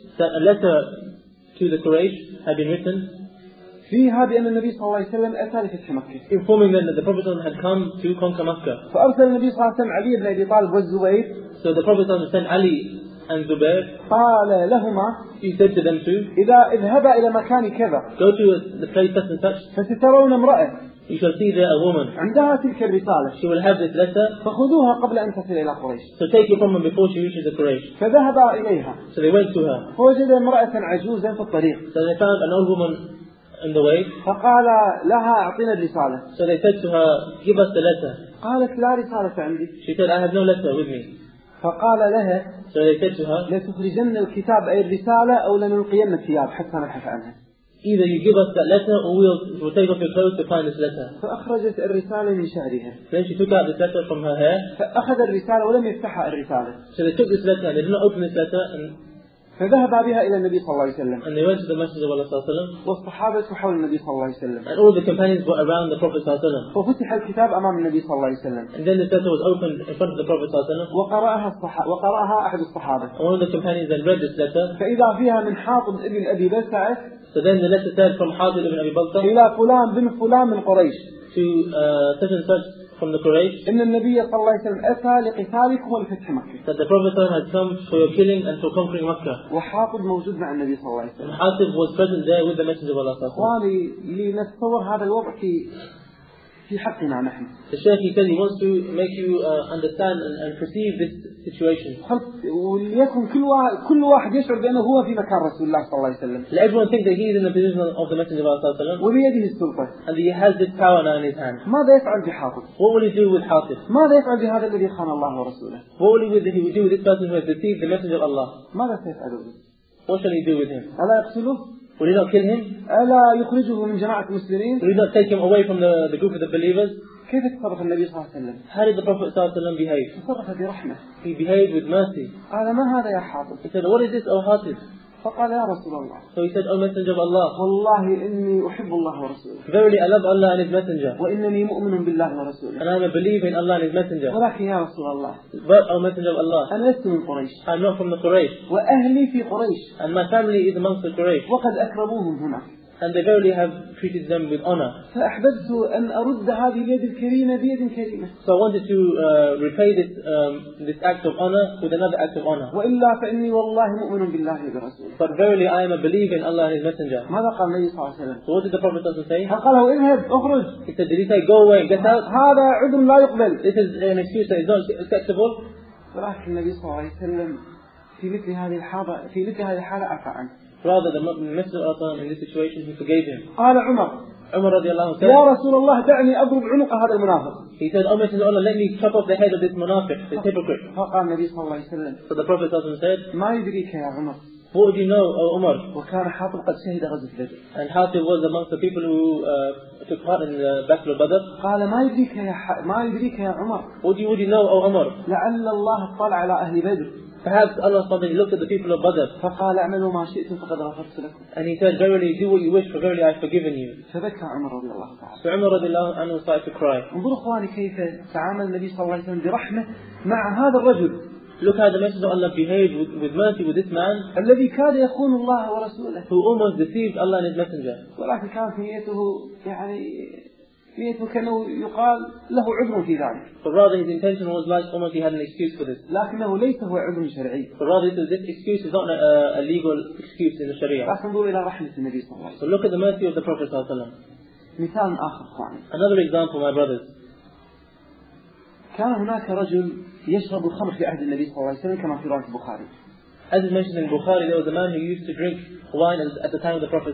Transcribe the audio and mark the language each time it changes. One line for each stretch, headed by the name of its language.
English: That a letter to the Quraysh had been written.
Arabic: فيها بأن النبي صلى الله عليه وسلم أتى لفتح مكة.
English: Informing them that the Prophet
Arabic: صلى الله عليه وسلم
English: had come to conquer Mecca.
Arabic: فأرسل النبي صلى الله عليه وسلم علي بن أبي طالب والزبير.
English: So the Prophet
Arabic: صلى الله عليه وسلم
English: sent Ali and Zubair.
Arabic: قال لهما.
English: He said to them too.
Arabic: إذا اذهبا إلى مكان كذا.
English: Go to the place such and such.
Arabic: فسترون امرأة.
English: You shall see there a woman.
Arabic: عندها تلك الرسالة.
English: She will have this letter.
Arabic: فخذوها قبل أن تصل إلى قريش.
English: So take it from her before she reaches the Quraysh.
Arabic: فذهب إليها.
English: So they went to her.
Arabic: فوجد امرأة عجوزا في الطريق.
English: So they found an old woman in the way.
Arabic: فقال لها أعطينا الرسالة.
English: So they said to her, give us the letter.
Arabic: قالت لا رسالة عندي.
English: She said, I have no letter with me.
Arabic: فقال لها.
English: So they said to her,
Arabic: لتخرجن الكتاب أي الرسالة أو لنلقين الثياب حتى نبحث عنها.
English: Either you give us that letter or we'll take off your clothes to find this letter.
Arabic: فأخرجت الرسالة من شعرها.
English: Then she took out this letter from her hair.
Arabic: فأخذ الرسالة ولم يفتحها الرسالة.
English: So they took this letter and they did not open this letter. And
Arabic: فذهب بها إلى النبي صلى الله عليه وسلم.
English: And they went to the Messenger of Allah
Arabic: صلى الله عليه وسلم. والصحابة حول النبي صلى الله عليه وسلم.
English: And all the companions were around the Prophet
Arabic: صلى الله عليه وسلم. ففتح الكتاب أمام النبي صلى الله عليه وسلم.
English: And then the letter was opened in front of the Prophet
Arabic: صلى الله عليه وسلم. وقرأها أحد الصحابة.
English: And one of the companions then read this letter.
Arabic: فإذا فيها من حاطب ابن أبي بسعة.
English: So then the letter said from Hadid ibn Abi Balta
Arabic: إلى فلان بن فلان من قريش
English: to such and such from the Quraysh
Arabic: إن النبي صلى الله عليه وسلم أتى لقتالكم ولفتح مكة
English: that the Prophet had come for your killing and for conquering Mecca
Arabic: وحاطب موجود مع النبي صلى الله عليه وسلم
English: and Hatib was present there with the Messenger of Allah
Arabic: صلى الله عليه وسلم وعلي لنتصور هذا الوضع في حقنا نحن
English: the Shaykh he said he wants to make you understand and perceive this situation.
Arabic: وليكن كل واحد يشعر بأنه هو في مكان رسول الله صلى الله عليه وسلم.
English: Let everyone think that he is in the position of the Messenger of Allah
Arabic: صلى الله عليه وسلم. وبيده السلطة.
English: And he has this power now in his hand.
Arabic: ماذا يفعل بحاطب؟
English: What will he do with حاطب؟
Arabic: ماذا يفعل بهذا الذي خان الله ورسوله؟
English: What will he do with this person who has deceived the Messenger of Allah؟
Arabic: ماذا سيفعل به؟
English: What shall he do with him؟
Arabic: ألا يقتله؟
English: Will he not kill him؟
Arabic: ألا يخرجه من جماعة المسلمين؟
English: Will he not take him away from the group of the believers؟
Arabic: كيف تصرف النبي صلى الله عليه وسلم؟
English: How did the Prophet
Arabic: صلى الله عليه وسلم
English: behave؟
Arabic: تصرف برحمة.
English: He behaved with mercy.
Arabic: قال ما هذا يا حاطب؟
English: He said, What is this, O Hatib?
Arabic: فقال يا رسول الله.
English: So he said, O Messenger of Allah.
Arabic: والله إني أحب الله ورسوله.
English: Verily I love Allah and His Messenger.
Arabic: وإنني مؤمن بالله ورسوله.
English: And I'm a believer in Allah and His Messenger.
Arabic: ولكن يا رسول الله.
English: But O Messenger of Allah.
Arabic: أنا لست من قريش.
English: I'm not from the Quraysh.
Arabic: وأهلي في قريش.
English: And my family is amongst the Quraysh.
Arabic: وقد أكرموهم هنا.
English: And they verily have treated them with honor.
Arabic: فأحببت أن أرد هذه اليد الكريمة بيد كريمة.
English: So I wanted to repay this act of honor with another act of honor.
Arabic: وإلا فإني والله مؤمن بالله ورسوله.
English: But verily I am a believer in Allah and His Messenger.
Arabic: ماذا قال النبي صلى الله عليه وسلم؟
English: So what did the Prophet
Arabic: صلى الله عليه وسلم
English: say?
Arabic: فقال له اذهب اخرج.
English: He said, did he say go away and get out?
Arabic: هذا عذر لا يقبل.
English: This is an excuse that is not acceptable.
Arabic: فراح النبي صلى الله عليه وسلم في مثل هذه الحالة عفا عنه.
English: Rather, the Messenger of Allah in this situation, he forgave him.
Arabic: قال عمر.
English: عمر
Arabic: رضي الله عنه
English: said,
Arabic: يا رسول الله دعني أضرب عنق هذا المنافق.
English: He said, O Messenger of Allah, let me chop off the head of this منافق, this hypocrite.
Arabic: فقال النبي صلى الله عليه وسلم.
English: So the Prophet also said,
Arabic: ما يدريك يا عمر.
English: What do you know, O Umar?
Arabic: وكان حاطب قد شهد غزوة بدر.
English: And Hatib was amongst the people who took part in the Battle of Badr.
Arabic: قال ما يدريك يا ما يدريك يا عمر.
English: What do you know, O Umar?
Arabic: لعل الله اطلع على أهل بدر.
English: Perhaps Allah SWT looked at the people of Badr.
Arabic: فقال اعملوا ما شئتم فقد غفرت لكم.
English: And he said, verily do what you wish, for verily I have forgiven you.
Arabic: فبكى عمر رضي الله عنه.
English: So عمر
Arabic: رضي الله عنه
English: started to cry.
Arabic: انظروا اخواني كيف تعامل النبي صلى الله عليه وسلم برحمة مع هذا الرجل.
English: Look how the Messenger of Allah behaved with mercy with this man.
Arabic: الذي كاد يخون الله ورسوله.
English: Who almost deceived Allah and His Messenger.
Arabic: ولكن كان في نيته يعني نيته كانه يقال له عذر في ذلك.
English: But rather his intention was like almost he had an excuse for this.
Arabic: لكنه ليس هو عذر شرعي.
English: But rather this excuse is not a legal excuse in the Sharia.
Arabic: لكن انظر إلى رحمة النبي صلى الله عليه وسلم.
English: So look at the mercy of the Prophet
Arabic: صلى الله عليه وسلم. مثال آخر أخواني.
English: Another example, my brothers.
Arabic: كان هناك رجل يشرب الخمر في عهد النبي صلى الله عليه وسلم كما في رواية البخاري.
English: as is mentioned in Bukhari, there was a man who used to drink wine at the time of the Prophet